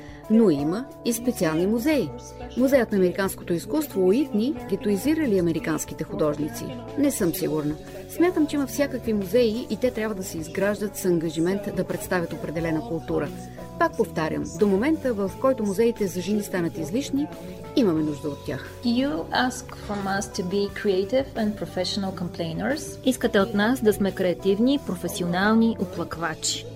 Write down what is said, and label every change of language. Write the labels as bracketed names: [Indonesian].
[Bulgarian] Но има и специални музеи. Музеят на американското изкуство Уитни гетоизира ли американските художници? Не съм сигурна. Смятам, че има всякакви музеи и те трябва да се изграждат с ангажимент да представят определена култура. Пак повтарям, до момента, в който музеите за жени станат излишни, имаме нужда от тях. [English] You ask from us to be creative and professional complainers. [Bulgarian] Искате от нас да сме креативни и професионални оплаквачи.